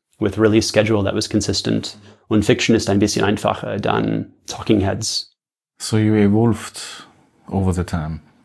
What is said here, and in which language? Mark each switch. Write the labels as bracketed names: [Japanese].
[English] With release schedule that was consistent. [German] Und Fiction ist ein bisschen einfacher [English] than Talking Heads. So you evolved over the time.